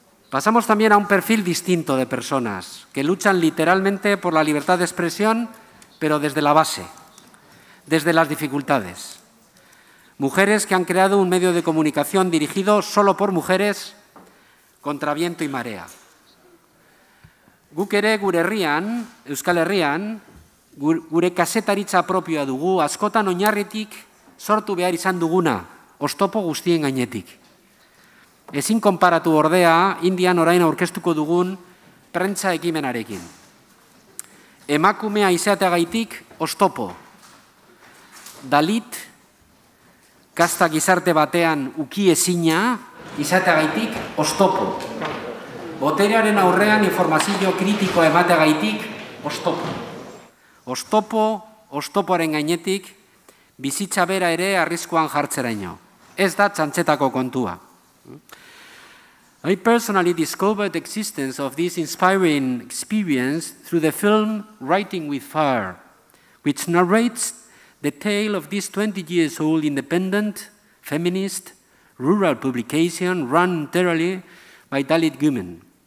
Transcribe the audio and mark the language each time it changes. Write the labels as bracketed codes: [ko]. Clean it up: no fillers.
[es] Pasamos también a un perfil distinto de personas que luchan literalmente por la libertad de expresión, pero desde la base, desde las dificultades. Mujeres que han creado un medio de comunicación dirigido solo por mujeres contra viento y marea. [eu] Guk ere gure herrian, Euskal Herrian, gure kasetaritza propioa dugu, askotan oinarritik sortu behar izan duguna, oztopo guztien gainetik. Ezin konparatu ordea, Indian orain aurkeztuko dugun prentza ekimenarekin. Emakumea izateagaitik, oztopo. Dalit, kasta gizarte batean ukiezina, izateagaitik, oztopo. Boterearen aurrean informazio kritikoa emateagaitik, oztopo. Oztopo, oztoporen gainetik, bizitza bera ere arriskuan jartzeraino. Ez da txantxetako kontua. [en] I personally discovered the existence of this inspiring experience through the film Writing with Fire, which narrates the tale of this 20-year-old independent, feminist, rural publication run entirely by Dalit women.